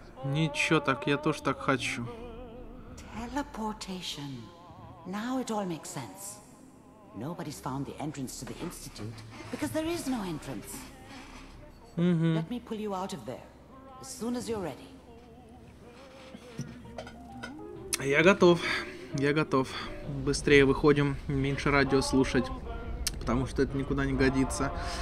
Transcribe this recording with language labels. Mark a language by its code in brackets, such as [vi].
[ru] Ничего так, я тоже так хочу. Телепортация. [en] Now it all makes sense. Nobody's found the entrance to the Institute, because there is no entrance. Mm-hmm. Let me pull you out of there, as soon as you're ready. [ru] Я готов. Я готов. Быстрее выходим, меньше радио слушать, потому что это никуда не годится.